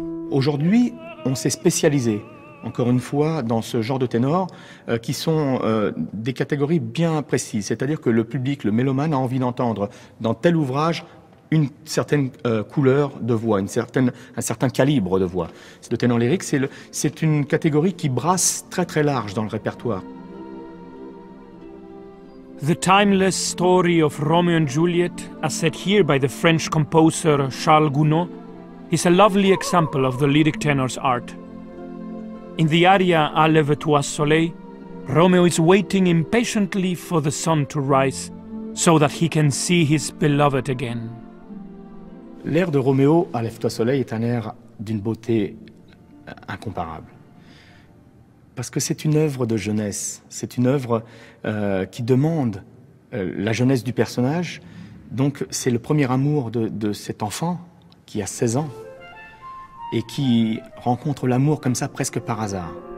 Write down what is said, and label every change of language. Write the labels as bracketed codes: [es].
[fr] Aujourd'hui, on s'est spécialisé, encore une fois, dans ce genre de ténor, qui sont des catégories bien précises. C'est-à-dire que le public, le mélomane, a envie d'entendre dans tel ouvrage une certaine couleur de voix, un certain calibre de voix. Le ténor lyrique, c'est une catégorie qui brasse très très large dans le répertoire. [en] The timeless story of Romeo and Juliet, as set here by the French composer Charles Gounod, is a lovely example of the lyric tenor's art. In the aria A Lève-toi Soleil, Romeo is waiting impatiently for the sun to rise so that he can see his beloved again. [fr] L'air de Roméo, A Lève-toi Soleil, est un air d'une beauté incomparable. Parce que c'est une œuvre de jeunesse, c'est une œuvre qui demande la jeunesse du personnage. Donc c'est le premier amour de cet enfant qui a 16 ans et qui rencontre l'amour comme ça presque par hasard.